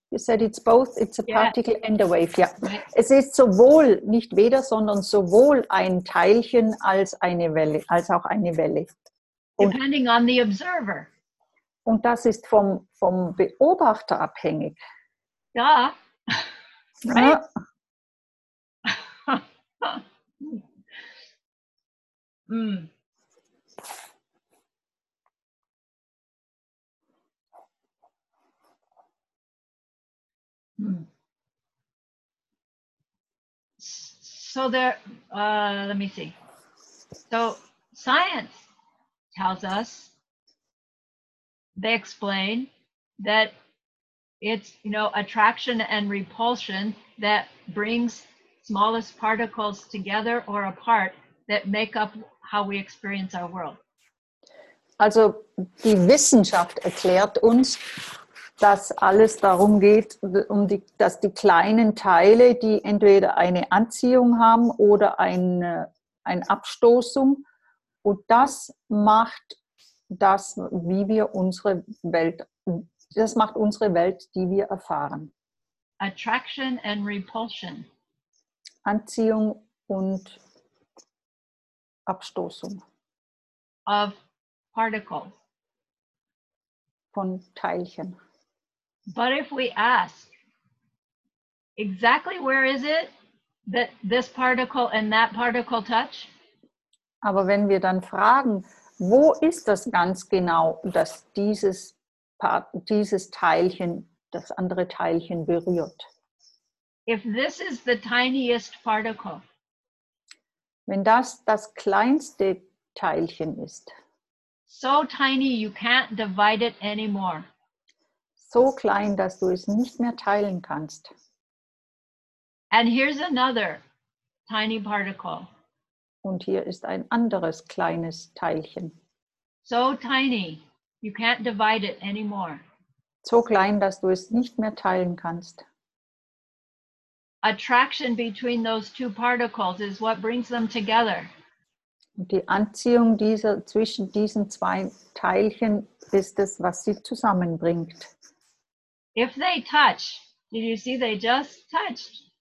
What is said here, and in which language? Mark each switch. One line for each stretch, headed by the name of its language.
English: You said it's both, it's a particle and a wave. Yeah.
German: Es ist sowohl, nicht weder, sondern sowohl ein Teilchen als eine Welle, als auch eine Welle.
English: Depending on the observer.
German: Und das ist vom Beobachter abhängig. Ja. Right?
English: So there, let me see. So science tells us, they explain that it's, attraction and repulsion that brings smallest particles together or apart that make up how we experience our world.
German: Also die Wissenschaft erklärt uns, dass alles darum geht, dass die kleinen Teile, die entweder eine Anziehung haben oder eine Abstoßung, und das macht das, wie wir unsere Welt, das macht unsere Welt, die wir erfahren.
English: Attraction and repulsion.
German: Anziehung und Abstoßung.
English: Of particles.
German: Von Teilchen.
English: But if we ask, exactly where is it that this particle and that particle touch?
German: Aber wenn wir dann fragen, wo ist das ganz genau, dass dieses Teilchen das andere Teilchen berührt?
English: If this is the tiniest particle,
German: wenn das kleinste Teilchen ist,
English: so tiny you can't divide it anymore.
German: So klein, dass du es nicht mehr teilen kannst.
English: And here's another tiny particle.
German: Und hier ist ein anderes kleines Teilchen.
English: So tiny, you can't divide it anymore.
German: So klein, dass du es nicht mehr teilen kannst.
English: Attraction between those two particles is what brings them together.
German: Und die Anziehung zwischen diesen zwei Teilchen ist es, was sie zusammenbringt.
English: If they touch, did you see they just touched?